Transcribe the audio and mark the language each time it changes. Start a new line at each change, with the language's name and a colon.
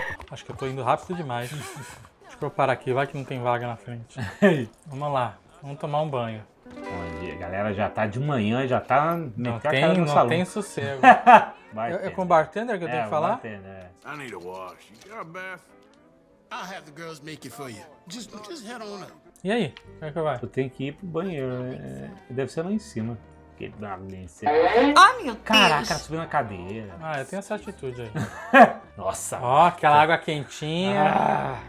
Portuguese: Acho que eu tô indo rápido demais. Deixa eu parar aqui, vai que não tem vaga na frente. Vamos lá, vamos tomar um banho. Bom dia, galera. Já tá de manhã, já tá... Não tem sossego. É com o bartender que eu tenho que falar?
English: Bartender, é. I need a wash. You got a bath? I'll have the girls make it for you. Just head on up.
Portuguese: E aí, como é que vai? Tu tem que ir pro banheiro, né? Deve ser lá em cima. Que dá nem ser. Ah, meu Deus! Caraca, subiu na cadeira. Ah, eu tenho essa atitude aí. Nossa! Ó, aquela água quentinha.